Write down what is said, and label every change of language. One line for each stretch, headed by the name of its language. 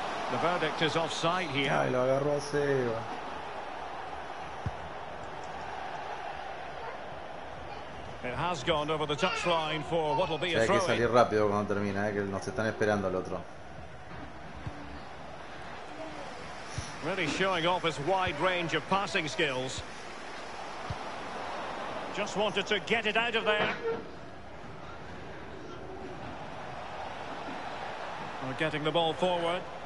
English: The verdict is offside here.
Spanish: Ay, lo agarró a Seba.
English: It has gone over the touchline for what will be a throw-in.
Spanish: Hay que salir rápido cuando termina, que nos están esperando el otro.
English: Really showing off his wide range of passing skills. Just wanted to get it out of there. We're getting the ball forward.